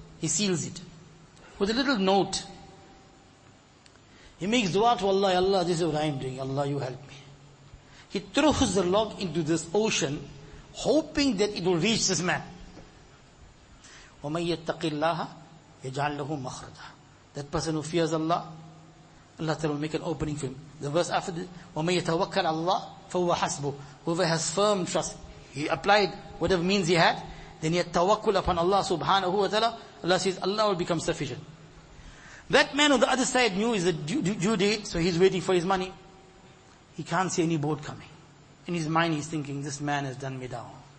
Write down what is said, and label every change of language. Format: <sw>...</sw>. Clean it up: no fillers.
<en>He seals it with a little note. He makes dua to Allah, Allah, this is what I am doing. Allah, you help me. He throws the log into this ocean, hoping that it will reach this man.</en> <ar>وَمَنْ يَتَّقِ اللَّهَ يَجْعَلْ لَهُ مَخْرَجًا.</ar> <en>That person who fears Allah, Allah Ta'ala will make an opening for him. The verse after this,</en> <ar>وَمَنْ يَتَوَكَّلْ اللَّهُ فَهُوَ حَسْبُهُ.</ar> <en>Whoever has firm trust, he applied whatever means he had, then he had tawakkul upon Allah subhanahu wa ta'ala, Allah says, Allah will become sufficient. That man on the other side knew is a due date, so he's waiting for his money. He can't see any boat coming. In his mind he's thinking, this man has done me down.</en>